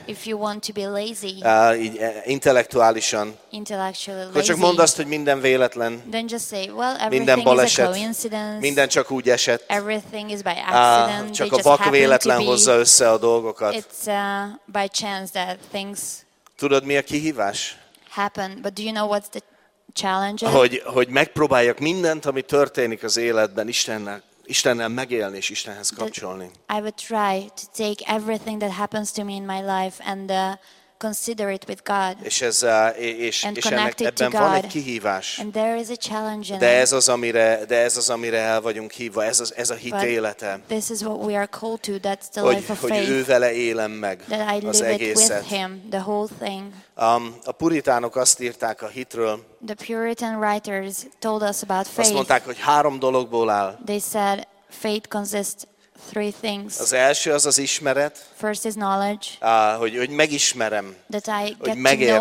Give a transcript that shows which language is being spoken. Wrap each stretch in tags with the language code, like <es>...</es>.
<en>if you want to be lazy,</en> <hu>így intellektuálisan,</hu> <en>intellectually lazy,</en> <hu>akkor csak mondd azt, hogy minden véletlen,</hu> <en>then just say, well, everything</en> <hu>minden baleset,</hu> <en>is a coincidence,</en> <hu>minden csak úgy esett,</hu> <en>everything is by accident,</en> <hu>csak a vak véletlen hozza össze a dolgokat.</hu> <en>It's by chance that things</en> <hu>tudod, mi a kihívás?</hu> <en>Happen, but do you know what's the challenge?</en> <hu>Hogy megpróbáljak mindent, ami történik az életben, Istennel megélni és Istenhez kapcsolni.</hu> <en>I would try to take everything that happens to me in my life and consider it with God.</en> <hu>És ennek ebben van egy kihívás.</hu> <en>And there is a challenge in it.</en> <hu>De ez az, amire el vagyunk hívva, ez a hit élete.</hu> <en>This is what we are called to, that's the</en> <hu>hogy,</hu> <en>life of</en> <hu>hogy</hu> <en>faith.</en> <hu>Hogy ővele élem meg</hu> <en>that</en> <hu>az egészet.</hu> <en>That I live it with him, the whole thing.</en> <hu>A puritánok azt írták a hitről.</hu> <en>The Puritan writers told us about faith.</en> <hu>Azt mondták, hogy három dologból áll.</hu> <en>They said faith consists three things.</en> <hu>Az első az az ismeret.</hu> <en>First is knowledge.</en> <hu>Hogy megismerem.</hu> <en>That I get</en> <hu>hogy megértem.</hu>